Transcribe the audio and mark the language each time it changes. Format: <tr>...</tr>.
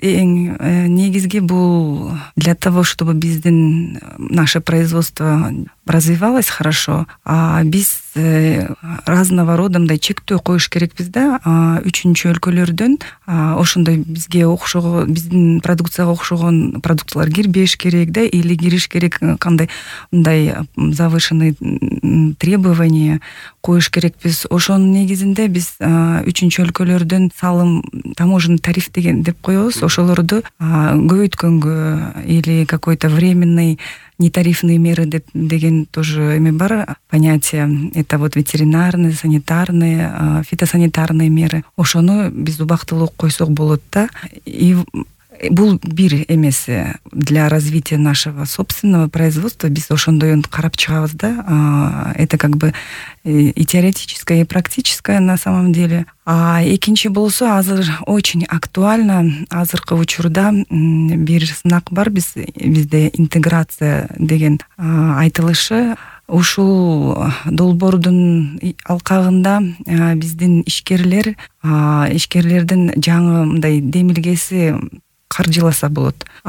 <ky>Эң негизги бул</ky> <ru>для того, чтобы</ru> <ky>биздин</ky> <ru>наше производство развивалось хорошо,</ru> <ky>биз</ky> <ru>разного рода</ru> <ky>мындай чектөө коюш керекпиз да, үчүнчү өлкөлөрдөн ошондой бизге окшогон, биздин продукцияга окшогон продуктылар кирбеш керек да, или кириш керек, кандай мындай</ky> <ru>завышенный требования</ru> <ky>коюш керекпиз. Ошонун негизинде биз үчүнчү өлкөлөрдөн салым, таможенный тариф деген деп коебуз, ошолорду көбөйткөнгө</ky> <ru>или какой-то временный нетарифные меры</ru> <ky>деген</ky> <ru>тоже</ru> <ky>эми бар понятие.</ky> <ru>Это вот ветеринарные, санитарные, фитосанитарные меры.</ru> <ky>Ошону биз убактылуу койсок болот да. И бул бир эмеси</ky> <ru>для развития нашего собственного производства</ru> <ky>биз ошондой карап чыгабыз да.</ky> <ru>Это как бы и теоретическое, и практическое на самом деле.</ru> <ky>Экинчи болсо, азыр</ky> <ru>очень актуально,</ru> <ky>азыркы учурда бир сынак бар бизде интеграция деген айтылышы. Ушул долбоордун алкагында биздин ишкерлердин жаңы мындай демилгеси каржыласа болот.</ky>